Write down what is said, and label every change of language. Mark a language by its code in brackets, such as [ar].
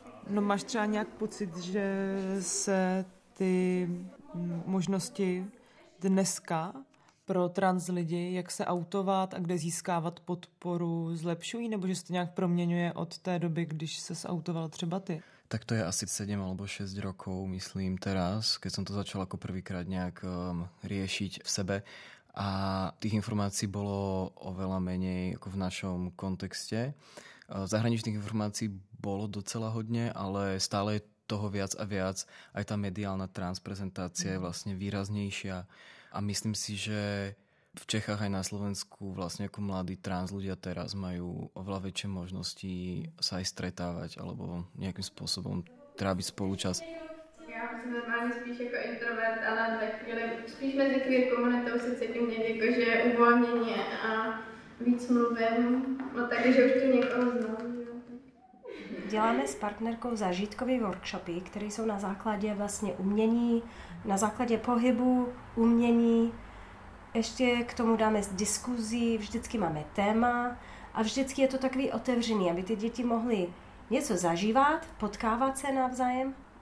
[cs] No máš třeba nějak pocit, že se ty možnosti dneska pro trans lidi, jak se outovat a kde získávat podporu, zlepšují, nebo že se to nějak proměňuje od té doby, když se outoval třeba ty? [sk] Tak to je asi 7 alebo 6 rokov, myslím teraz, keď som to začal ako prvýkrát nejak riešiť v sebe. A tých informácií bolo oveľa menej ako v našom kontexte. Zahraničných informácií bolo [cs] docela [sk] hodne, ale stále je toho viac a viac. Aj tá mediálna transprezentácia je vlastne výraznejšia. A myslím si, že v Čechách aj na Slovensku vlastne ako mladí trans ľudia teraz majú oveľa väčšie možnosti sa aj stretávať alebo nejakým spôsobom tráviť spolučas. Ja som normálne [cs] spíš [sk] ako introvert, ale za chvíli spíš medzi queer komunitou sa cítim nejako, že je uvoľnenie a [cs] víc mluvím, [sk] no tak, že už tu niekoho znám. [cs] Děláme s partnerkou zážitkové workshopy, které jsou na základě vlastně umění, na základě pohybu, umění. Ještě k tomu dáme diskuzi, vždycky máme téma a vždycky je to takový otevřený, aby ty děti mohly něco zažívat, potkávat se navzájem.